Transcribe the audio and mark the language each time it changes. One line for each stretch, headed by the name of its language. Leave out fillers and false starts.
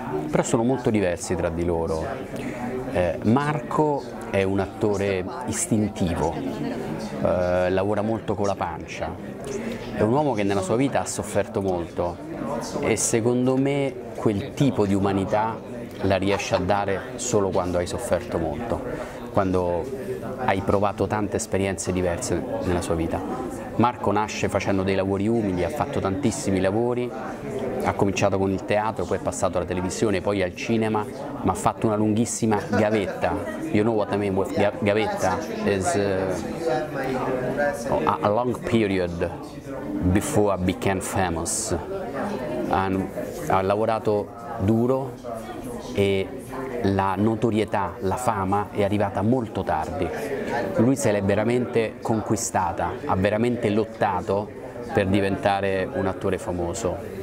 Italian: Però sono molto diversi tra di loro. Marco è un attore istintivo, lavora molto con la pancia, è un uomo che nella sua vita ha sofferto molto e secondo me quel tipo di umanità la riesce a dare solo quando hai sofferto molto, quando hai provato tante esperienze diverse nella sua vita. Marco nasce facendo dei lavori umili, ha fatto tantissimi lavori, ha cominciato con il teatro, poi è passato alla televisione, poi al cinema, ma ha fatto una lunghissima gavetta.
English: You know what I mean with gavetta? Is a long period before I became famous.
Italian: Ha lavorato duro e la notorietà, la fama è arrivata molto tardi. Lui se l'è veramente conquistata, ha veramente lottato per diventare un attore famoso.